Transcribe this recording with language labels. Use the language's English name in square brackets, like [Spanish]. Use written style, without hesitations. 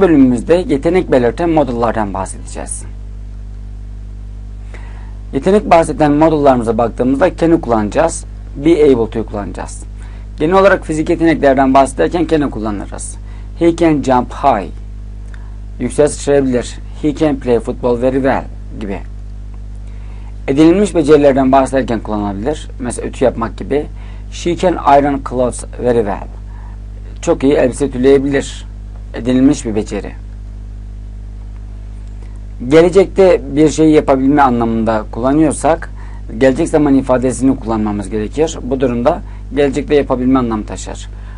[Turkish] bölümümüzde yetenek belirten modüllerden bahsedeceğiz. Yetenek bahseden modüllerimize baktığımızda Ken'i kullanacağız, Be Able'ı kullanacağız. Genel olarak fizik yeteneklerden bahsederken Ken'i kullanırız. [English] He can jump high. [Turkish] Yüksek sıçrayabilir. [English] He can play football very well gibi. [Turkish] Edinilmiş becerilerden bahsederken kullanılabilir. Mesela ütü yapmak gibi. [English] She can iron clothes very well. [Turkish] Çok iyi elbise tüleyebilir. Edinilmiş bir beceri. Gelecekte bir şeyi yapabilme anlamında kullanıyorsak gelecek zaman ifadesini kullanmamız gerekir. Bu durumda gelecekte yapabilme anlamı taşır.